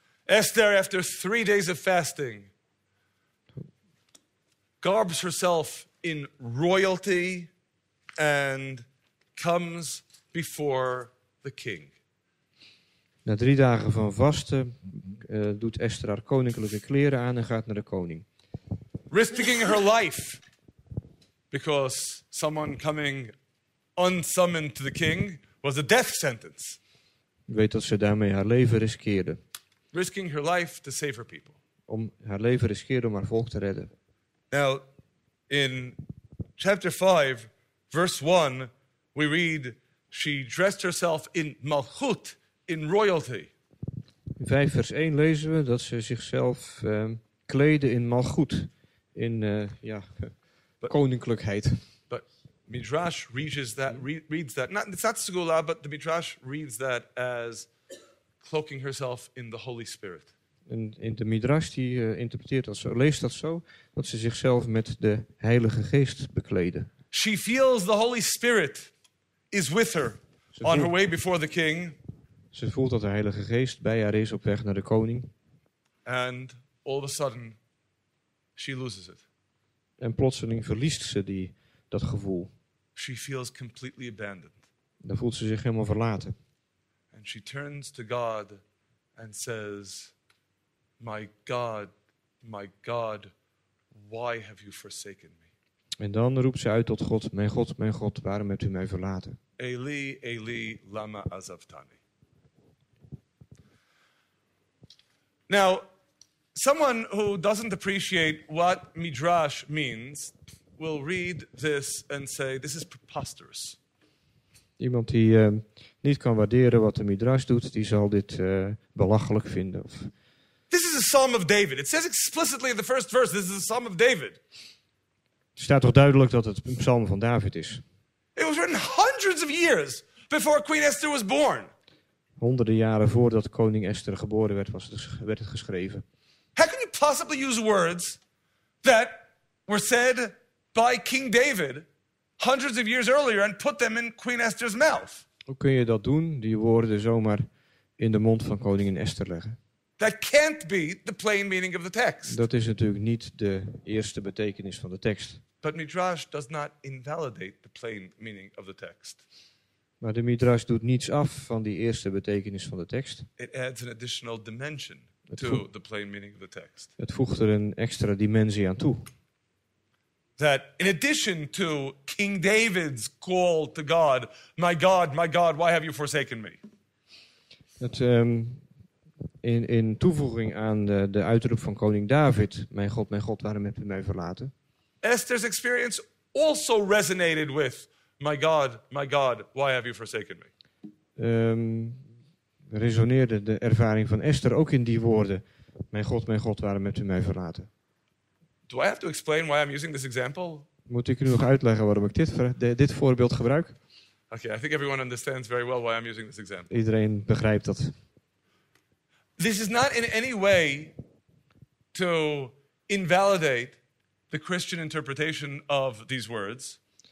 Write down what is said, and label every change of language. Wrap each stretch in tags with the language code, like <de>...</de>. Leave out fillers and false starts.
<en>Esther, after 3 days of fasting, garbs herself in royalty and comes before the king.</en> <nl>Na 3 dagen van vasten doet Esther haar koninklijke kleren aan en gaat naar de koning.</nl> <en>Risking her life because someone coming unsummoned to the king was a death sentence.</en> <nl>Ik weet dat ze daarmee haar leven riskeerde.</nl> <en>Risking her life to save her people.</en> <nl>Om haar leven riskeerde om haar volk te redden.</nl> <en>Now, in chapter 5, verse 1, we read she dressed herself in malchut, in royalty.</en> <nl>In 5 vers 1 lezen we dat ze zichzelf kleedde in malchut, in koninklijkheid.</nl> <en>But Midrash reaches that, reads that. Not, it's not segula, but the Midrash reads that as cloaking herself in the Holy Spirit.</en> <nl>In de Midrash die interpreteert dat zo, leest dat zo, dat ze zichzelf met de Heilige Geest bekleedde.</nl> <en>She feels the Holy Spirit is with her on her way before the king.</en> <nl>Ze voelt dat de Heilige Geest bij haar is op weg naar de koning.</nl> <en>And all of a sudden, she loses it.</en> <nl>En plotseling verliest ze dat gevoel.</nl> <en>She feels completely abandoned.</en> <nl>Dan voelt ze zich helemaal verlaten.</nl> <en>And she turns to God and says, my God, why have you forsaken me?</en> <nl>En dan roept ze uit tot God, mijn God, waarom hebt u mij verlaten?</nl> <he>Eli, Eli, lama azavtani.</he> <en>Now, someone who doesn't appreciate what Midrash means will read this and say, this is preposterous.</en> <nl>Iemand die niet kan waarderen wat de Midrash doet, die zal dit belachelijk vinden. Of...</nl> <en>This is a psalm of David. It says explicitly in the first verse, this is a psalm of David.</en> <nl>Het staat toch duidelijk dat het een psalm van David is.</nl> <en>It was written hundreds of years before Queen Esther was born.</en> <nl>Honderden jaren voordat koning Esther geboren werd, werd het geschreven.</nl> <en>How can you possibly use words that were said by King David hundreds of years earlier and put them in Queen Esther's mouth?</en> <nl>Hoe kun je dat doen, die woorden zomaar in de mond van koningin Esther leggen?</nl> <en>That can't be the plain meaning of the text.</en> <nl>Dat is natuurlijk niet de eerste betekenis van de tekst.</nl> <en>But Midrash does not invalidate the plain meaning of the text.</en> <nl>Maar de Midrash doet niets af van die eerste betekenis van de tekst.</nl> <en>It adds an additional dimension to the plain meaning of the text.</en> <nl>Het voegt er een extra dimensie aan toe.</nl> <en>That in addition to King David's call to God, my God, my God, why have you forsaken me?</en> <nl>Het in toevoeging aan de uitroep van koning David, mijn God, waarom heb je mij verlaten?</nl> <en>Esther's experience also resonated with my God, why have you forsaken me?</en> <nl>Resoneerde de ervaring van Esther ook in die woorden. Mijn God, waarom hebt u mij verlaten?</nl> <en>Do I have to explain why I'm using this example?</en> <nl>Moet ik u nog uitleggen waarom ik dit voorbeeld gebruik?</nl> <en>Okay, I think everyone understands very well why I'm using this example.</en> <nl>Iedereen begrijpt dat.</nl> <en>This is not in any way to invalidate the Christian interpretation of these words.</en>